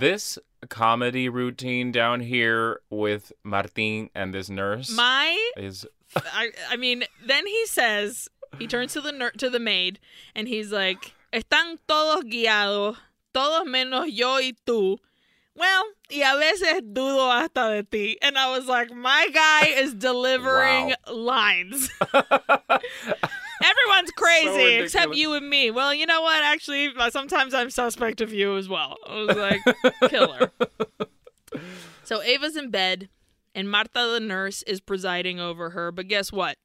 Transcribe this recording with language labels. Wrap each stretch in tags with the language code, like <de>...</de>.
<en>This comedy routine down here with Martin and this nurse. I mean, then he says, he turns to the maid, and he's like,</en> <es>"Están todos guiados, todos menos yo y tú." Well, y a veces dudo hasta de ti.</es> <en>And I was like, my guy is delivering lines. Everyone's crazy so except you and me. Well, you know what? Actually, sometimes I'm suspect of you as well. I was like, killer. So Ava's in bed, and Marta the nurse is presiding over her. But guess what?</en>